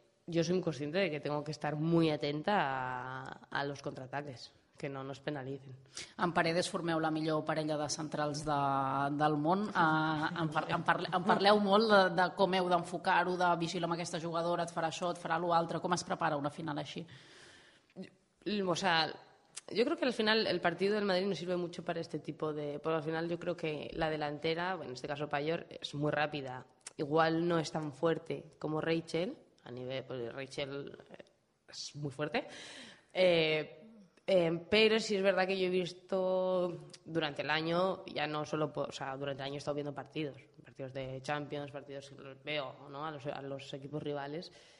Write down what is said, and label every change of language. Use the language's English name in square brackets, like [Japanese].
[Spanish] Yo soy consciente de que tengo que estar muy atenta a los contraataques, que no nos penalicen. [Catalan] En Paredes formeu la millor parella de centrals del món. En parleu molt de com heu d'enfocar-ho, de vigilar amb aquesta jugadora, et farà això, et farà l'altre. Com es prepara una final així? [Spanish] O sea, yo creo que al final el partido del Madrid no sirve mucho para este tipo de... Pues al final yo creo que la delantera, en este caso Payor, es muy rápida. Igual no es tan fuerte como Rachel, a nivel, pues Rachel es muy fuerte, pero sí es verdad que yo he visto durante el año, ya no solo, o sea, durante el año he estado viendo partidos de Champions, partidos que veo, ¿no? A los equipos rivales,